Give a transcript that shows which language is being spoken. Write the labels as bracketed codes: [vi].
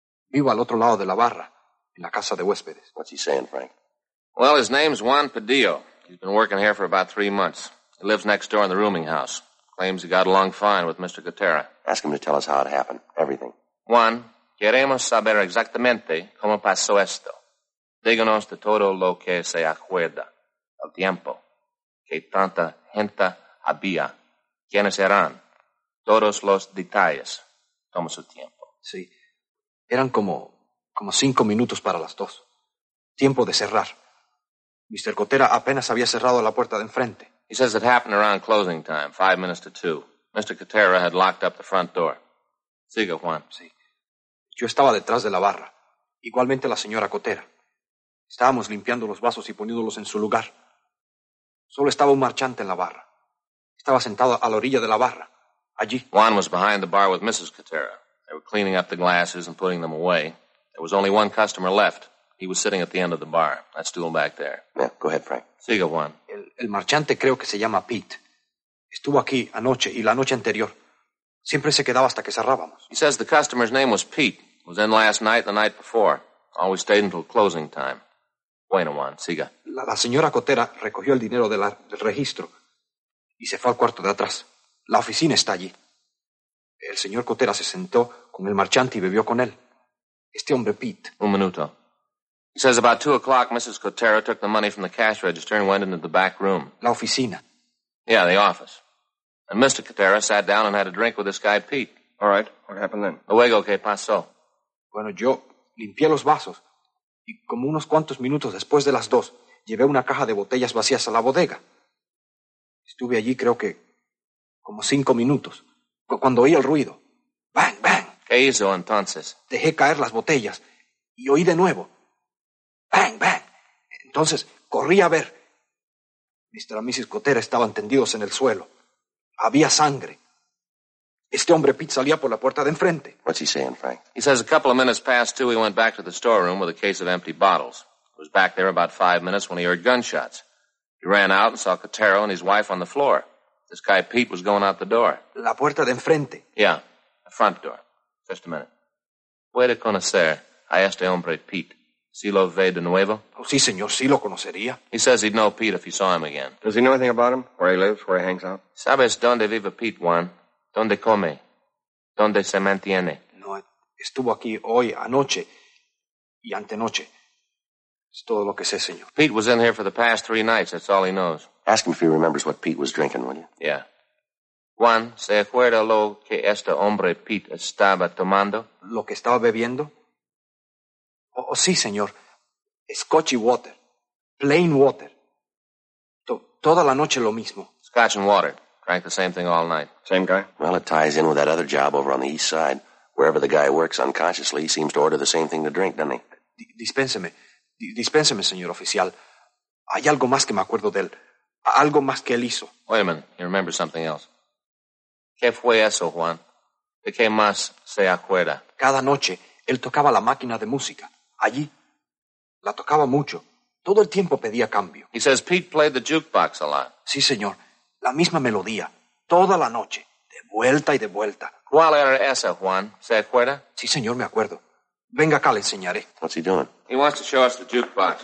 [es] Vivo al otro lado de la barra, en la casa de huéspedes. [en] What's he saying, Frank? Well, his name's Juan Pedillo. He's been working here for about 3 months. He lives next door in the rooming house. Claims he got along fine with Mr. Cotera. Ask him to tell us how it happened. Everything. [es] Juan, queremos saber exactamente cómo pasó esto. Díganos de todo lo que se acuerda. El tiempo. Que tanta gente había. ¿Quiénes eran? Todos los detalles. Toma su tiempo. Sí. Eran como 5 minutos para las 2. Tiempo de cerrar. Mr. Cotera apenas había cerrado la puerta de enfrente. [en] He says it happened around closing time, 2:05. Mr. Cotera had locked up the front door. [es] Siga, Juan. Sí. Yo estaba detrás de la barra. Igualmente la señora Cotera. Estábamos limpiando los vasos y poniéndolos en su lugar. Solo estaba un marchante en la barra. Estaba sentado a la orilla de la barra. Allí. [en] Juan was behind the bar with Mrs. Cotera. They were cleaning up the glasses and putting them away. There was only one customer left. He was sitting at the end of the bar. That stool back there. Yeah, go ahead, Frank. [es] Siga, Juan. El marchante creo que se llama Pete. Estuvo aquí anoche y la noche anterior. Siempre se quedaba hasta que cerrábamos. [en] He says the customer's name was Pete. It was in last night and the night before. Always stayed until closing time. [es] Bueno, Juan, siga. La señora Cotera recogió el dinero del registro y se fue al cuarto de atrás. La oficina está allí. El señor Cotera se sentó con el marchante y bebió con él. Este hombre, Pete. Un minuto. [en] He says about 2:00, Mrs. Cotera took the money from the cash register and went into the back room. [es] La oficina. [en] Yeah, the office. And Mr. Cotera sat down and had a drink with this guy, Pete. All right, what happened then? [es] Luego, ¿qué pasó? Bueno, yo limpié los vasos. Y como unos cuantos minutos después de las 2, llevé una caja de botellas vacías a la bodega. Estuve allí, creo que, como 5 minutos. Cuando oí el ruido. ¡Bang, bang! ¿Qué hizo entonces? Dejé caer las botellas. Y oí de nuevo. ¡Bang, bang! Entonces, corrí a ver. Mr. y Mrs. Cotera estaban tendidos en el suelo. Había sangre. Este hombre, Pete, salía por la puerta de enfrente. [en] What's he saying, Frank? He says a couple of minutes past 2, he went back to the storeroom with a case of empty bottles. He was back there about 5 minutes when he heard gunshots. He ran out and saw Cotero and his wife on the floor. This guy, Pete, was going out the door. [es] La puerta de enfrente. [en] Yeah, the front door. Just a minute. [es] ¿Puede conocer a este hombre, Pete? ¿Si lo ve de nuevo? Oh, sí, señor, sí lo conocería. [en] He says he'd know Pete if he saw him again. Does he know anything about him? Where he lives, where he hangs out? [es] ¿Sabes dónde vive Pete, Juan? ¿Dónde come? ¿Dónde se mantiene? No, estuvo aquí hoy, anoche, y antenoche. Es todo lo que sé, señor. [en] Pete was in here for the past 3 nights, that's all he knows. Ask him if he remembers what Pete was drinking, will you? Yeah. [es] Juan, ¿se acuerda lo que este hombre Pete estaba tomando? ¿Lo que estaba bebiendo? Oh, sí, señor. [en] Scotch and water. Plain water. [es] Toda la noche lo mismo. [en] Scotch and water. Drank the same thing all night. Same guy? Well, it ties in with that other job over on the east side. Wherever the guy works unconsciously, he seems to order the same thing to drink, doesn't he? [es] Dispénseme, señor oficial. Hay algo más que me acuerdo de él. Algo más que él hizo. [en] Wait a minute. He remembers something else. [es] ¿Qué fue eso, Juan? ¿De qué más se acuerda? Cada noche, él tocaba la máquina de música. Allí. La tocaba mucho. Todo el tiempo pedía cambio. [en] He says Pete played the jukebox a lot. [es] Sí, señor. La misma melodía. Toda la noche. De vuelta y de vuelta. ¿Cuál era esa, Juan? ¿Se acuerda? Sí, señor, me acuerdo. Venga acá, le enseñaré. [en] What's he doing? He wants to show us the jukebox.